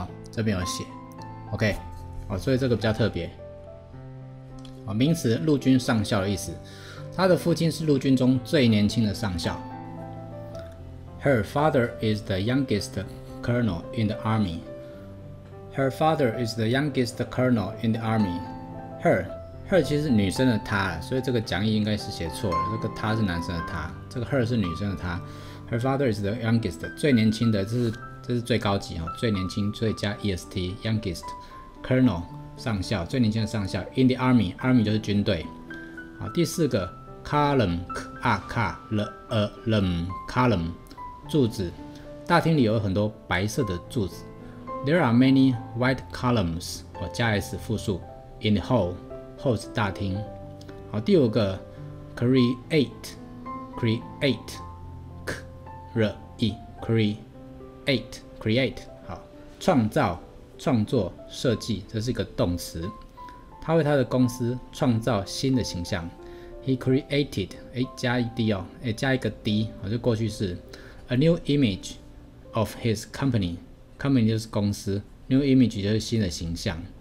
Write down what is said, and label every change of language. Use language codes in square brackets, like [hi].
[zh] 这边有写 ，OK， 哦，所以这个比较特别，哦，名词陆军上校的意思，他的父亲是陆军中最年轻的上校。 [en] Her father is the youngest colonel in the army. Her father is the youngest colonel in the army. Her。 [zh] her 其实是女生的她，所以这个讲义应该是写错了，这个她是男生的她，这个 her 是女生的她。 [en] her father is the youngest， [zh] 最年轻的，这是最高级，最年轻，所以加 est youngest colonel 上校，最年轻的上校 [en] in the army， [zh] army 就是军队。好，第四个 column 柱子，大厅里有很多白色的柱子。 [en] there are many white columns [zh] 加 s 复数 [en] in the hall， [zh] 后是大厅。好，第五个 create 好，创造、创作、设计，这是一个动词。他为他的公司创造新的形象。 [en] He created [zh] 加一 d 哦，加一个 d 好，就过去式。 [en] A new image of his company [zh] 就是公司 [en] ，new image [zh] 就是新的形象。